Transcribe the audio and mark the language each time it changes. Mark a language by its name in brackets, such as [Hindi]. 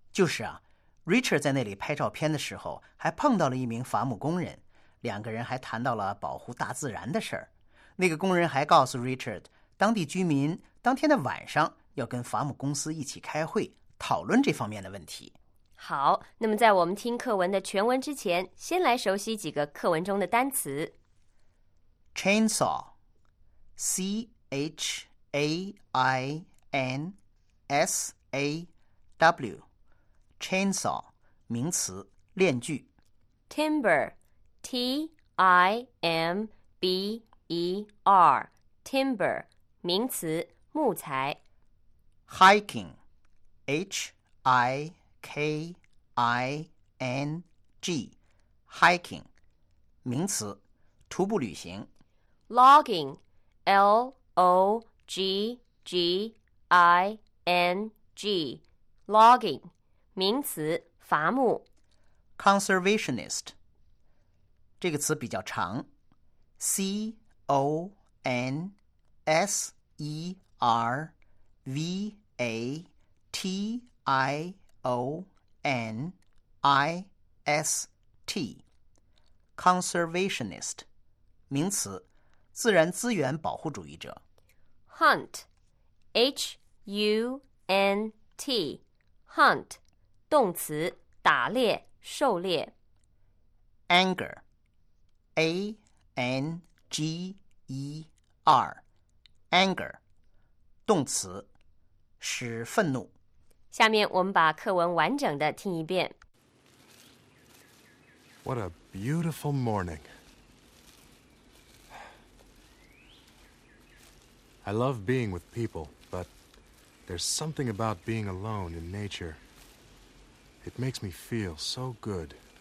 [Chinese] 就是啊， Richard 在那里拍照片的时候还碰到了一名伐木工人，两个人还谈到了保护大自然的事儿。那个工人还告诉 Richard， 当地居民当天的晚上要跟伐木公司一起开会，讨论这方面的问题。好，那么在我们听课文的全文之前，先来熟悉几个课文中的单词。 [English] Chainsaw， C-H-A-I-N-S-A-W， Chainsaw， [Chinese] 名词，链锯。 [English] Timber， T-I-M-B-E-R， Timber， [Chinese] 名词，木材。 [English] Hiking， H-I-K-I-N-G， Hiking， [Chinese] 名词，徒步旅行。 [English] Logging， L-O-G-G-I-N-G， Logging， [Chinese] 名词，伐木。 [English] Conservationist， [Chinese] 这个词比较长， [English] C-O-N-S-E-R-V-A-T-I-O-N-I-S-T， Conservationist， [Chinese] 名词，自然资源保护主义者。 [English] Hunt， H-U-N-T， Hunt， [Chinese] 动词，打猎，狩猎。 [English] Anger， A-N-G-E-R， Anger， [Chinese] 动词，使愤怒。下面我们把课文完整的听一遍。 [English] What a beautiful morning. I love being with people, but there's something about being alone in nature. It makes me feel so good.